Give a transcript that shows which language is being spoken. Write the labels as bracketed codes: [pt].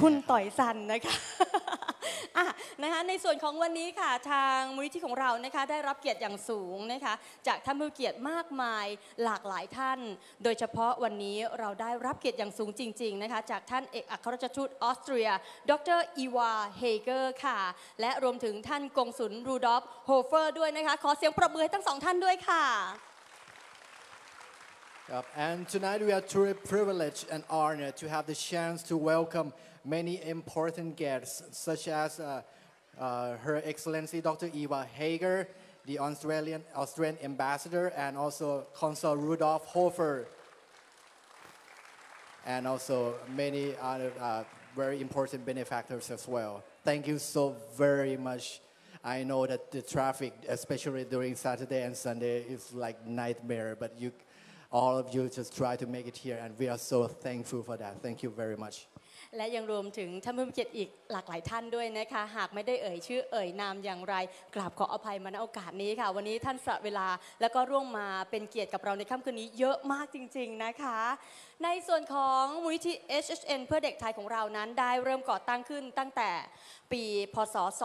[th] คุณต่อยสันนะคะอ่ะนะคะในส่วนของวันนี้ค่ะทางมูลนิธิของเรานะคะได้รับเกียรติอย่างสูงนะคะจากท่านผู้เกียรติมากมายหลากหลายท่านโดยเฉพาะวันนี้เราได้รับเกียรติอย่างสูงจริงๆนะคะจากท่านเอกอัครราชทูตออสเตรียดร. อีวาเฮเกอร์ค่ะและรวมถึงท่านกงสุลรูดอล์ฟโฮเฟอร์ด้วยนะคะขอเสียงปรบมือให้ทั้งสองท่านด้วยค่ะ [en] Yep. And tonight we are truly privileged and honored to have the chance to welcome many important guests such as Her Excellency Dr. Eva Hager, the Australian Ambassador, and also Consul Rudolf Hofer, and also many other very important benefactors as well. Thank you so very much. I know that the traffic, especially during Saturday and Sunday, is like nightmare, but youAll of you just try to make it here, and we are so thankful for that. Thank you very much. [th] และยังรวมถึงท่านผู้เกียรติอีกหลากหลายท่านด้วยนะคะหากไม่ได้เอ่ยชื่อเอ่ยนามอย่างไรกราบขออภัยมาณโอกาสนี้ค่ะวันนี้ท่านสละเวลาแล้วก็ร่วมมาเป็นเกียรติกับเราในค่ำคืนนี้เยอะมากจริงๆนะคะในส่วนของมูลนิธิ HHN เพื่อเด็กไทยของเรานั้นได้เริ่มก่อตั้งขึ้นตั้งแต่ปีพ.ศ.